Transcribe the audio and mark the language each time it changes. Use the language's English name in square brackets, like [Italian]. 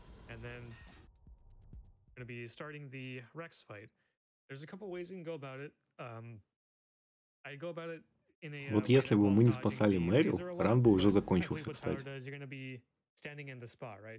[English] And then I'm gonna be starting the Rex fight. There's a couple ways you can go about it. I'd go about it in a [Russian] вот если бы мы не спасали Мэрил, ран бы уже закончился, кстати. [English] You're gonna be standing in the spot, right?